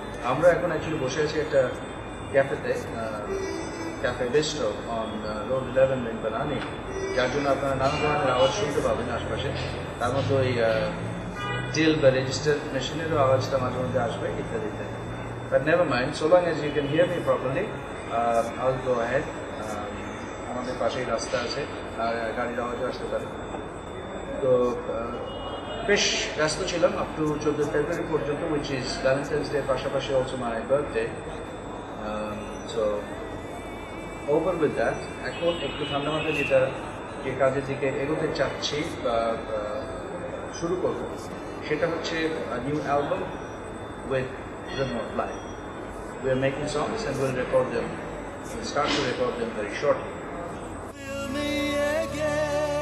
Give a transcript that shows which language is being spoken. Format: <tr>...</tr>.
<bn>আমরা এখন অ্যাকচুয়ালি বসে আছি একটা ক্যাফেতে, cafe Bairstow on road 11 in বানানি, যার জন্য আপনারা নানা ধরনের আওয়াজ শুনতে পাবেন আশপাশে। তার মধ্যে ওই ডিল বা রেজিস্টার মেশিনেরও আওয়াজটা মাঝে মধ্যে আসবে ইত্যাদি ইত্যাদি।</bn> <en>But never mind, so long as you can hear me properly, I'll go ahead.</en> <bn>আমাদের পাশেই রাস্তা আছে, গাড়ির আওয়াজও আসতে পারে। তো বেশ ব্যস্ত ছিলাম আপ টু 14 ফেব্রুয়ারি পর্যন্ত,</bn> <en>which is Valentine's day,</en> <bn>পাশাপাশি</bn> <en>Also my birthday. So over with that,</en> <bn>এখন একটু ঠান্ডা মাথায় যেটা যে কাজের দিকে এগোতে চাচ্ছি বা শুরু করব সেটা হচ্ছে new album with Rhythm of Life.</bn> <en>We are making songs and we'll record them. We'll start to record them very shortly. Feel me again.</en>